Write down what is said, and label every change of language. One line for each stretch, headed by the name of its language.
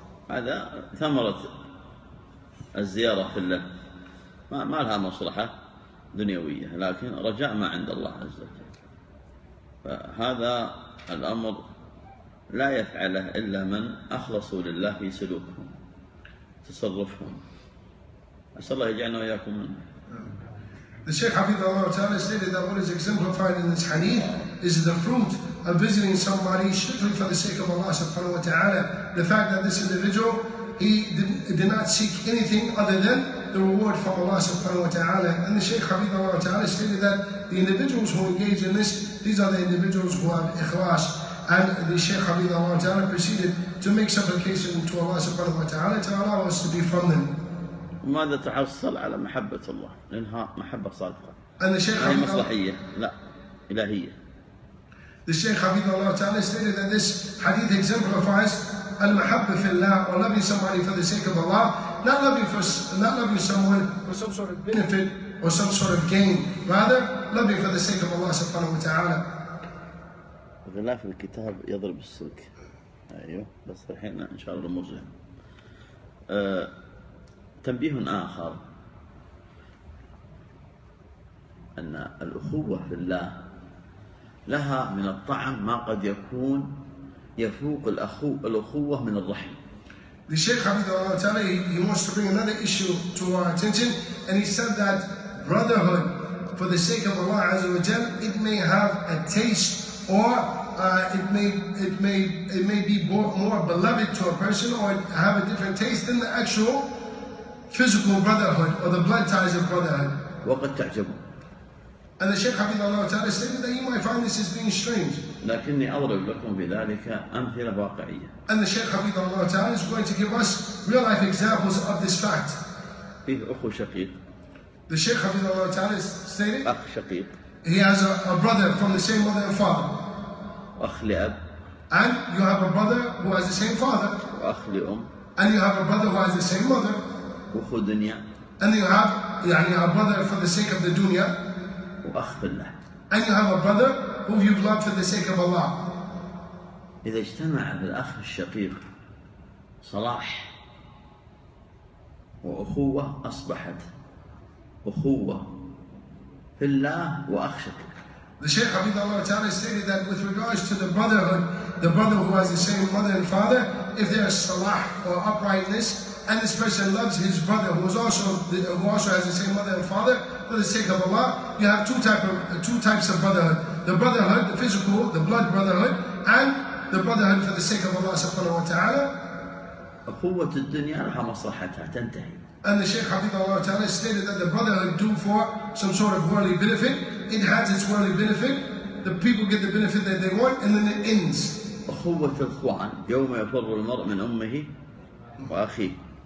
Arabic: هذا ثمرة الزيارة في الله، ما لها مصلحة دنيوية، لكن رجاء ما عند الله عز وجل. فهذا الأمر لا يفعله إلا من أخلصوا لله في سلوكهم تصرفهم. أسأل الله يجعلنا وإياكم منه.
English: The Shaykh Hafidh Allah Ta'ala stated that what is exemplified in this hadith is the fruit of visiting somebody strictly for the sake of Allah subhanahu wa ta'ala. The fact that this individual, he did not seek anything other than the reward from Allah subhanahu wa ta'ala. And the Shaykh Hafidh Allah Ta'ala stated that the individuals who engage in this, these are the individuals who have ikhlas. And the Shaykh Hafidh Allah Ta'ala proceeded to make supplication to Allah subhanahu wa ta'ala to allow us to be from them.
Arabic: وماذا تحصل على محبة الله؟ إنها محبة صادقة. أن الشيخ هي مصلحية، لا إلهية.
English: The Shaykh Hafidh Allah Ta'ala stated that this hadith exemplifies
Arabic: المحبة في الله
English: or loving somebody for the sake of Allah, not loving someone for some sort of benefit or some sort of gain, rather loving for the sake of Allah سبحانه وتعالى.
Arabic: غلاف الكتاب يضرب السوق. أيوه، بس الحين إن شاء الله مرجع. تنبيه آخر أن الأخوة في الله لها من الطعم ما قد يكون يفوق الأخوة من الرحم.
English: The Shaykh Hafidh Allah Ta'ala, he wants to bring another issue to our attention, and he said that brotherhood for the sake of Allah Azza wa Jal, it may have a taste or it may be more beloved to a person or have a different taste than the actual physical brotherhood or the blood ties of brotherhood.
Arabic: وقد تعجبه.
English: And the Shaykh Hafidh Allah Ta'ala stated that you might find this as being strange.
Arabic: لكني أضرب لكم بذلك أمثلة واقعية.
English: And the Shaykh Hafidh Allah Ta'ala is going to give us real life examples of this fact.
Arabic: فيه أخو شقيق.
English: The Shaykh Hafidh Allah Ta'ala stated.
Arabic: أخ شقيق.
English: He has a brother from the same mother and father.
Arabic: أخ لأب.
English: And you have a brother who has the same father.
Arabic: وأخ لأم.
English: And you have a brother who has the same mother.
Arabic: أخو دنيا.
English: And you have يعني a brother for the sake of the dunya.
Arabic: وأخ بالله.
English: And you have a brother who you've loved for the sake of Allah.
Arabic: إذا اجتمع بالأخ الشقيق صلاح وأخوة أصبحت أخوة في الله وأخ شقيق.
English: The Shaykh Hafidh Allah Ta'ala stated that with regards to the brotherhood, the brother who has the same mother and father, if there is salah or uprightness, and this person loves his brother who also has the same mother and father for the sake of Allah, you have two types of brotherhood. The brotherhood, the physical, the blood brotherhood, and the brotherhood for the sake of Allah subhanahu wa ta'ala.
Arabic: أخوة الدنيا لها مصلحتها تنتهي.
English: And the Shaykh Hafidh Allah Ta'ala stated that the brotherhood do for some sort of worldly benefit. It has its worldly benefit. The people get the benefit that they want and then it ends.
Arabic: أخوة الإخوان يوم يفر المرء من أمه وأخيه.